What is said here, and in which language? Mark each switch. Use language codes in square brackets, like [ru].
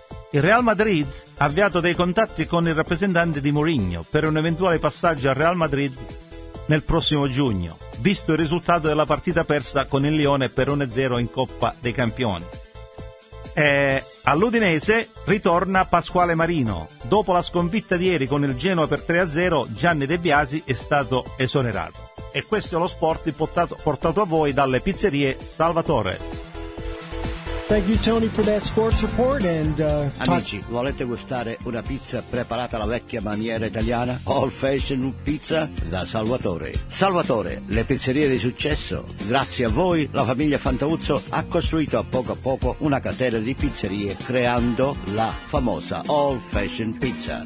[it] Il Real Madrid ha avviato dei contatti con il rappresentante di Mourinho per un eventuale passaggio al Real Madrid nel prossimo giugno, visto il risultato della partita persa con il Lione per 1-0 in Coppa dei Campioni. E all'Udinese ritorna Pasquale Marino. Dopo la sconfitta di ieri con il Genoa per 3-0, Gianni De Biasi è stato esonerato. E questo è lo sport portato a voi dalle pizzerie Salvatore. [en] Thank you, Tony, for that sports report and, [it] Amici, volete gustare una pizza preparata alla vecchia maniera italiana? Old Fashioned Pizza da Salvatore. Salvatore, le pizzerie di successo. Grazie a voi, la famiglia Fantauzzo ha costruito a poco una catena di pizzerie creando la famosa Old Fashioned Pizza.